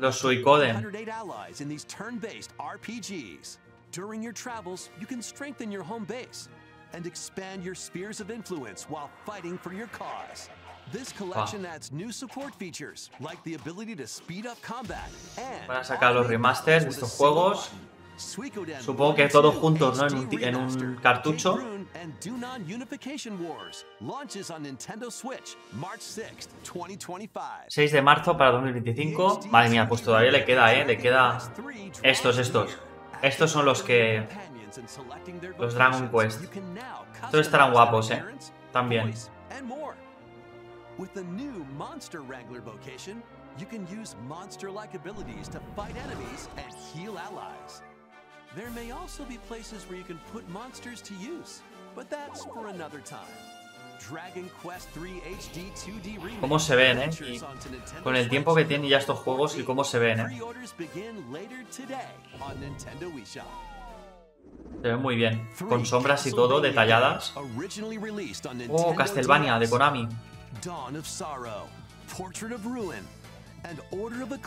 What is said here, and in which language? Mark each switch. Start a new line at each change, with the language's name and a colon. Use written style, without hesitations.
Spanish: los Suikoden.
English: 108 allies in these turn-based RPGs. During your travels, you can strengthen your home base and expand your spheres of influence while fighting for your cause. This collection adds new support features like the ability to speed up combat and
Spanish: van a sacar los remasters de estos juegos. Supongo que todos juntos, ¿no? En un cartucho.
English: And Dunon Unification Wars launches on Nintendo Switch March 6th, 2025.
Spanish: 6 de marzo para 2025. Madre mía, pues todavía le queda, ¿eh? Le queda estos. Estos son los que los Dragon Quest. Estos estarán guapos, ¿eh? También.
English: With the new Monster Wrangler vocation, you can use monster-like abilities to fight enemies and heal allies. There may also be places where you can put monsters to use, but that's for another time. Dragon Quest 3 HD 2D Remake.
Spanish: ¿Cómo se ven, eh? Y con el tiempo que tienen ya estos juegos y cómo se ven, eh.
English: Pre-orders begin later today on Nintendo eShop.
Spanish: Se ven muy bien, con sombras y todo detalladas. Oh, Castlevania de Konami.
English: Dawn of Sorrow, Portrait of Ruin, and Order of